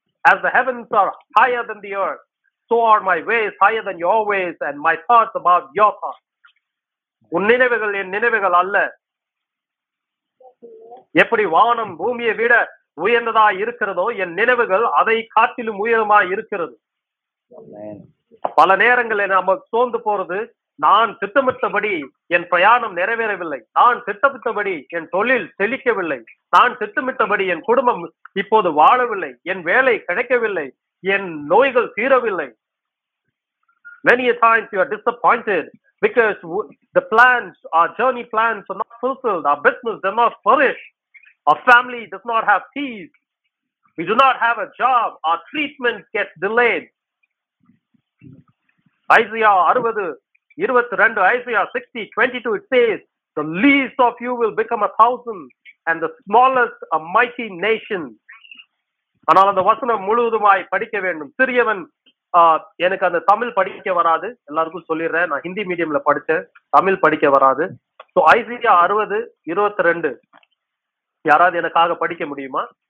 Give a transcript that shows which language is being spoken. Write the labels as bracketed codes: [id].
[en] As the heavens are higher than the earth, so are my ways higher than your ways, and my thoughts above your thoughts. [ta] உன் நினைவுகள் என் நினைவுகள் அல்ல. எப்படி வானம் பூமியை விட உயர்ந்ததா இருக்கிறதோ என் நினைவுகள் அதை காட்டிலும் உயரமா இருக்கிறது. பல நேரங்களில் நமக்கு சோர்ந்து போறது, நான் திட்டமிட்டபடி என் பிரயாணம் நிறைவேறவில்லை, நான் திட்டமிட்டபடி என் தொழில் செழிக்கவில்லை, நான் திட்டமிட்டபடி என் குடும்பம் இப்போது வாழவில்லை, என் வேலை கிடைக்கவில்லை, என் நோய்கள் தீரவில்லை. [en] Many a times you are disappointed because the plans, our journey plans are not fulfilled, our business does not flourish, our family does not have peace, we do not have a job, our treatment gets delayed. Isaiah 60:22, it says, the least of you will become a thousand and the smallest a mighty nation. [ta] ஆனால் அந்த வசனம் முழுவதுமாய் படிக்க வேண்டும். சிறியவன் எனக்கு அந்த தமிழ் படிக்க வராது, எல்லாருக்கும் சொல்லிடுறேன், நான் ஹிந்தி மீடியம்ல படித்தேன், தமிழ் படிக்க வராது. ஸோ Isaiah 60:22 யாராவது எனக்காக படிக்க முடியுமா?